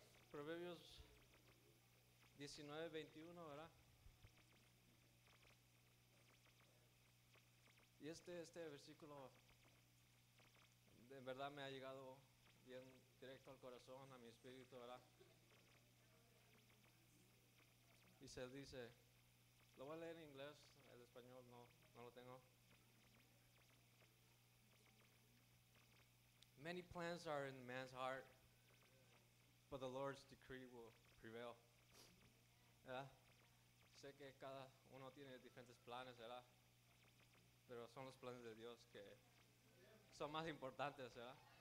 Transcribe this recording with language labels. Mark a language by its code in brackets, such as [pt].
[es] Proverbios 19:21, ¿verdad? Y este versículo de verdad me ha llegado bien directo al corazón, a mi espíritu, ¿verdad? Y se dice, lo voy a leer en inglés, el español no lo tengo. [en] Many plans are in man's heart, but the Lord's decree will prevail. [es] ¿Verdad? Sé que cada uno tiene diferentes planes, ¿verdad? Pero son los planes de Dios que son más importantes, ¿verdad?